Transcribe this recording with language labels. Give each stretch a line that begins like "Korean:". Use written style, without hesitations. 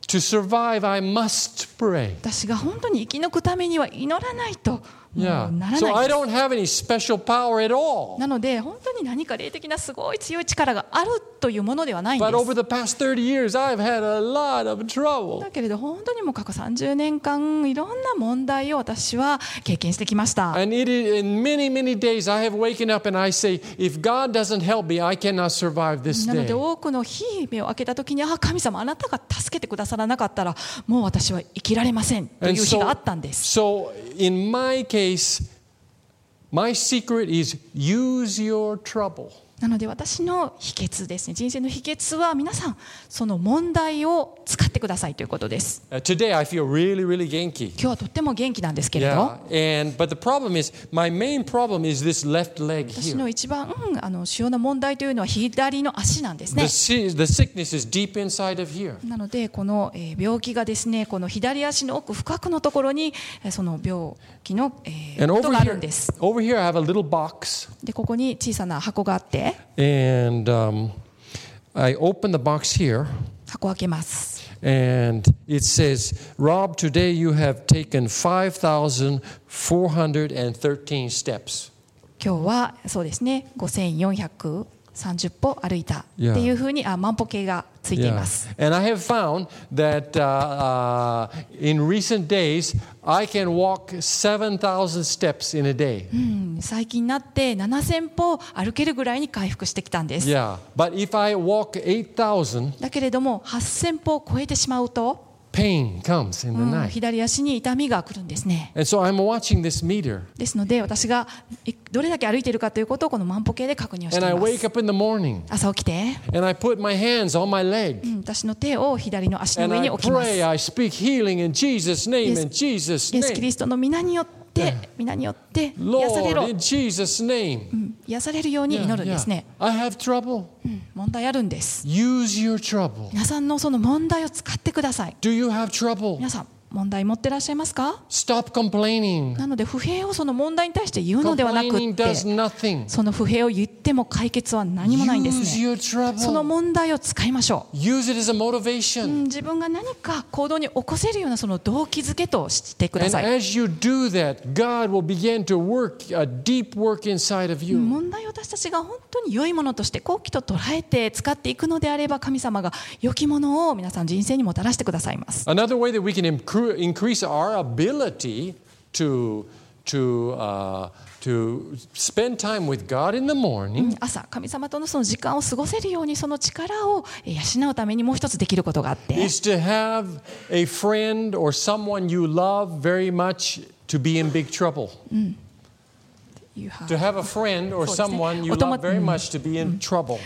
English: To survive, I must pray.
Japanese: 私が本当に生き抜くためには祈らないと。
English: So I don't have any special power at all.
Japanese: なので本当に何か霊的なすごい強い力があるというものではないんです。
English: But over the past 30 years, I've had a lot of trouble.
Japanese: だけれど本当にもう過去30年間いろんな問題を私は経験してきました。
English: And it is in many, many days I have woken up and I say, if God doesn't help me, I cannot survive this day.
Japanese: なので多くの日目を開けた時に、ああ神様あなたが助けてくださらなかったらもう私は生きられませんという日があったんです。
English: So in my case, my secret is use your trouble.
Japanese: なので私の秘訣ですね。人生の秘訣は皆さんその問題を使ってくださいということです。
English: Today I feel really, really 元気。
Japanese: 今日はとっても元気なんですけれど。
English: Yeah. And but the problem is my main problem is this left leg here.
Japanese: 私の一番主要な問題というのは左の足なんですね。
English: The sickness is deep inside of here.
Japanese: なのでこの病気がですね、この左足の奥深くのところにその病気の元があるんです。
English: Over here I have a little box.
Japanese: でここに小さな箱があって。
English: And I open the box here.
Japanese: 箱を開けます。
English: And it says, Rob, today you have taken 5,413 steps.
Japanese: 今日はそうですね、5,430 歩歩いたっていうふうに、yeah. 万歩計がついています。
English: Yeah. And I have found that in recent days I can walk 7,000 steps in a day.
Japanese: 最近になって7,000歩歩けるぐらいに回復してきたんです。
English: Yeah. But if I walk 8,000,
Japanese: だけれども8,000歩を超えてしまうと、
English: pain comes in the night.
Japanese: 左足に痛みが来るんですね。
English: And so I'm watching this meter.
Japanese: ですので私がどれだけ歩いているかということをこの万歩計で確認をしています。
English: And I wake up in the morning.
Japanese: 朝起きて。
English: And I put my hands on my leg.
Japanese: 私の手を左の足の上に置きます。
English: And I pray, I speak healing in Jesus' name, in Jesus' name.
Japanese: イエスキリストの皆によって。で皆によって癒されろ。
English: Lord, in Jesus' name.
Japanese: 癒されるように祈るんですね。
English: Yeah, yeah. I have trouble.
Japanese: 問題あるんです。
English: Use your trouble.
Japanese: 皆さんのその問題を使ってください。
English: Do you have trouble?
Japanese: 皆さん問題持ってらっしゃいますか？
English: Stop complaining.
Japanese: なので不平をその問題に対して言うのではなくって、
English: Complaining does nothing.
Japanese: その不平を言っても解決は何もないんですね。
English: Use your trouble.
Japanese: その問題を使いましょう。
English: Use it as a motivation.
Japanese: 自分が何か行動に起こせるようなその動機づけとしてください。
English: And as you do that, God will begin to work a deep work inside of you.
Japanese: 問題を私たちが本当に良いものとして好機と捉えて使っていくのであれば、神様が良きものを皆さん人生にもたらしてくださいます。
English: Another way that we can improve our ability to to spend time with God in the morning.
Japanese: 朝、神様とのその時間を過ごせるようにその力を養うためにもう一つできることがあって。
English: Is to have a friend or someone you love very much to be in big trouble. To have a friend or someone you love very much to be in trouble.